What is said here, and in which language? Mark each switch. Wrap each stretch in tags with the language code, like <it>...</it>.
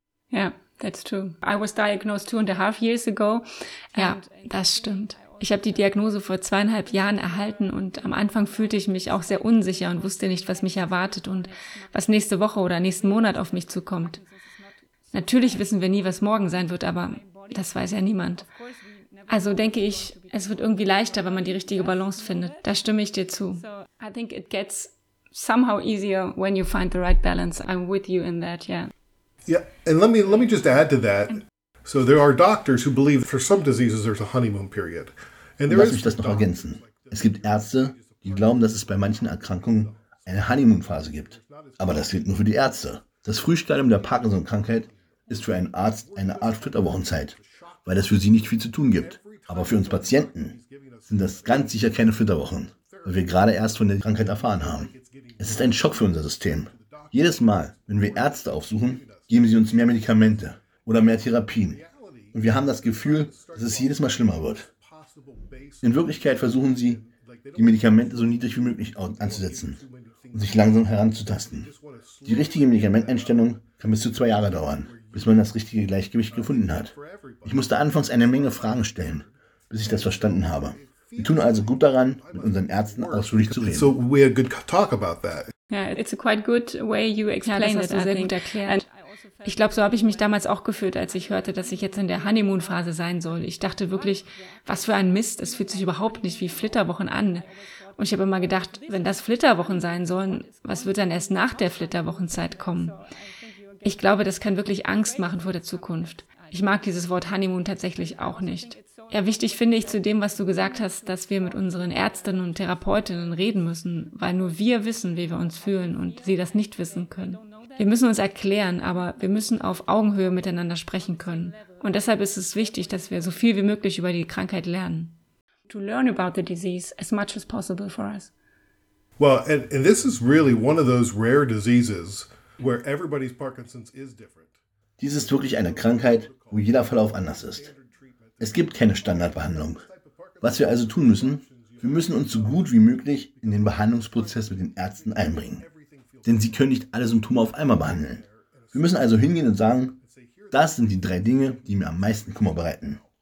<en>Ja, that's true. I was diagnosed 2.5 years ago.</en> <de>Ja, das stimmt. Ich habe die Diagnose vor 2.5 Jahren erhalten und am Anfang fühlte ich mich auch sehr unsicher und wusste nicht, was mich erwartet und was nächste Woche oder nächsten Monat auf mich zukommt. Natürlich wissen wir nie, was morgen sein wird, aber das weiß ja niemand. Also denke ich, es wird irgendwie leichter, wenn man die richtige Balance findet. Da stimme ich dir zu.</de> <en>I think it gets somehow easier when you find the right balance. I'm with you in that, yeah. Yeah, and let me just add to that. So there are doctors who believe for some diseases there's a honeymoon period. And there is.</en> <de>Lass mich das noch ergänzen. Es gibt Ärzte, die glauben, dass es bei manchen Erkrankungen eine Honeymoon-Phase gibt. Aber das gilt nur für die Ärzte. Das Frühstadium der Parkinson-Krankheit ist für einen Arzt eine Art Flitterwochenzeit, weil es für sie nicht viel zu tun gibt. Aber für uns Patienten sind das ganz sicher keine Flitterwochen, weil wir gerade erst von der Krankheit erfahren haben. Es ist ein Schock für unser System. Jedes Mal, wenn wir Ärzte aufsuchen, geben sie uns mehr Medikamente oder mehr Therapien. Und wir haben das Gefühl, dass es jedes Mal schlimmer wird. In Wirklichkeit versuchen sie, die Medikamente so niedrig wie möglich anzusetzen und sich langsam heranzutasten. Die richtige Medikamenteinstellung kann bis zu 2 Jahre dauern, bis man das richtige Gleichgewicht gefunden hat. Ich musste anfangs eine Menge Fragen stellen, bis ich das verstanden habe. Wir tun also gut daran, mit unseren Ärzten ausführlich zu reden.</de> <en>So we're good talk about that. Yeah, it's a quite good way you explain</en> <de>it, sehr gut erklärt. Ich glaube, so habe ich mich damals auch gefühlt, als ich hörte, dass ich jetzt in der Honeymoon-Phase sein soll. Ich dachte wirklich, was für ein Mist, es fühlt sich überhaupt nicht wie Flitterwochen an. Und ich habe immer gedacht, wenn das Flitterwochen sein sollen, was wird dann erst nach der Flitterwochenzeit kommen? Ich glaube, das kann wirklich Angst machen vor der Zukunft. Ich mag dieses Wort Honeymoon tatsächlich auch nicht. Ja, wichtig finde ich zu dem, was du gesagt hast, dass wir mit unseren Ärztinnen und Therapeutinnen reden müssen, weil nur wir wissen, wie wir uns fühlen und sie das nicht wissen können. Wir müssen uns erklären, aber wir müssen auf Augenhöhe miteinander sprechen können. Und deshalb ist es wichtig, dass wir so viel wie möglich über die Krankheit lernen.</de> <en>To learn about the disease as much as possible for us. Well, and this is really one of those rare diseases where everybody's Parkinson's is different.</en> <de>Dies ist wirklich eine Krankheit, wo jeder Verlauf anders ist. Es gibt keine Standardbehandlung. Was wir also tun müssen, wir müssen uns so gut wie möglich in den Behandlungsprozess mit den Ärzten einbringen. Denn sie können nicht alle Symptome auf einmal behandeln. Wir müssen also hingehen und sagen, das sind die 3 Dinge, die mir am meisten Kummer bereiten.</de>